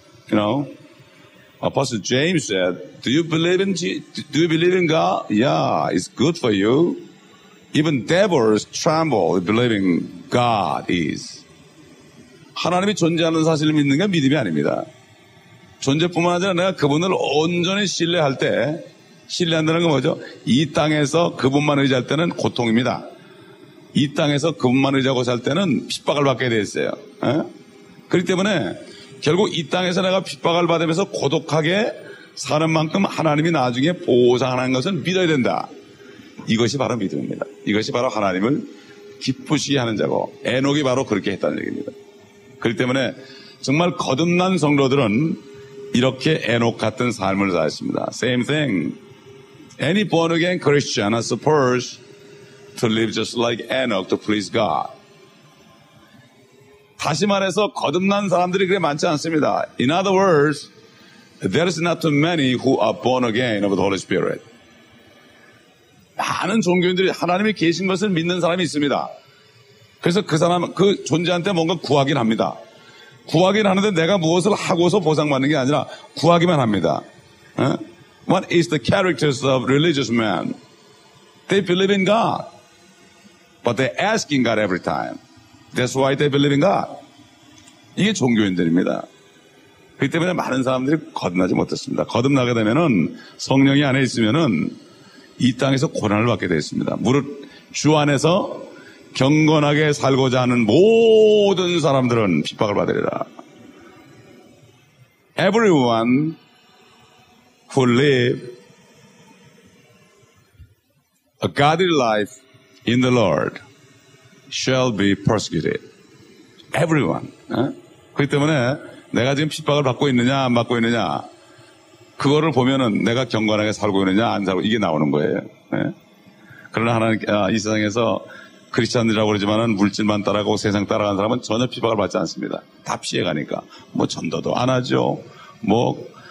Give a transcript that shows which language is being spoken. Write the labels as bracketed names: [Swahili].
[English] You know? Apostle James said, Do you believe in God? Yeah, it's good for you. Even devils tremble believing God is. [Korean] 하나님이 존재하는 사실을 믿는 게 믿음이 아닙니다. 존재뿐만 아니라 내가 그분을 온전히 신뢰할 때, 신뢰한다는 건 뭐죠? 이 땅에서 그분만 의지할 때는 고통입니다. 이 땅에서 그분만 의지하고 살 때는 핍박을 받게 돼 있어요. 에? 그렇기 때문에 결국 이 땅에서 내가 핍박을 받으면서 고독하게 사는 만큼 하나님이 나중에 보상하는 것은 믿어야 된다. 이것이 바로 믿음입니다. 이것이 바로 하나님을 기쁘시게 하는 자고 에녹이 바로 그렇게 했다는 얘기입니다. 그렇기 때문에 정말 거듭난 성도들은 이렇게 에녹 같은 삶을 살았습니다. [English] Same thing. Any born again Christian is supposed to live just like Enoch to please God. [Korean] 다시 말해서 거듭난 사람들이 그렇게 많지 않습니다. [English] In other words, there is not too many who are born again of the Holy Spirit. [Korean] 많은 종교인들이 하나님이 계신 것을 믿는 사람이 있습니다. 그래서 그 사람, 그 존재한테 뭔가 구하긴 합니다. 구하긴 하는데 내가 무엇을 하고서 보상받는 게 아니라 구하기만 합니다. [English] What is the characters of religious men? They believe in God. But they asking God every time. That's why they believe in God. [Korean] 이게 종교인들입니다. 그렇기 때문에 많은 사람들이 거듭나지 못했습니다. 거듭나게 되면은 성령이 안에 있으면은 이 땅에서 고난을 받게 되었습니다. 무릇 주 안에서 경건하게 살고자 하는 모든 사람들은 핍박을 받으리라. [English] Everyone who live a godly life in the Lord shall be persecuted. Everyone. [Korean] 그렇기 때문에 내가 지금 핍박을 받고 있느냐 안 받고 있느냐 그거를 보면은 내가 경건하게 살고 있느냐 안 살고 이게 나오는 거예요. 그러나 하나님 이 세상에서 크리스천이라고 그러지만은 물질만 따라가고 세상 따라가는 사람은 전혀 핍박을 받지 않습니다. 다 피해가니까 뭐 전도도 안 하죠. 뭐